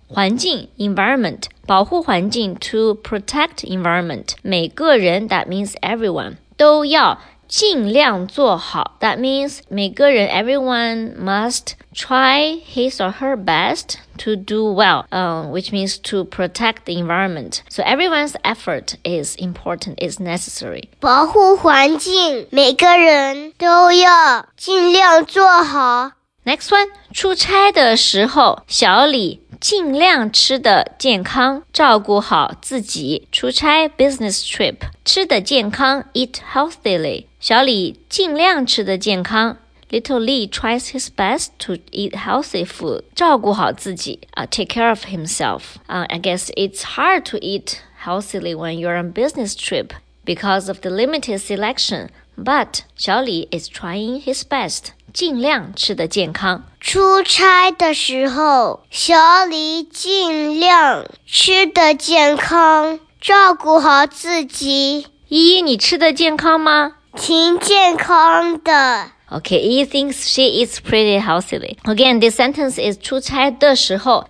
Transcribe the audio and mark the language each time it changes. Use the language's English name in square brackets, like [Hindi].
[English] 环境 environment, 保护环境 to protect environment. [Chinese] 每个人 [English] that means everyone, [Chinese] 都要尽量做好。 [English] That means 每个人 everyone must try his or her best. To do well, which means to protect the environment. So everyone's effort is important, is necessary. [Chinese] 保护环境，每个人都要尽量做好。 [English] Next one, [Chinese] 出差的时候，小李尽量吃的健康，照顾好自己。 [English] 出差 business trip, 吃的健康 eat healthily. [Chinese] 小李尽量吃的健康。 [English] Little Lee tries his best to eat healthy food. 照顾好自己 take care of himself. I guess it's hard to eat healthily when you're on business trip because of the limited selection. But 小李 is trying his best. [Chinese] 尽量吃得健康。出差的时候，小李尽量吃得健康，照顾好自己。依依，你吃得健康吗？挺健康的。 [English] Okay, Yi thinks she eats pretty healthily. Again, this sentence is [Chinese] 出差的时候。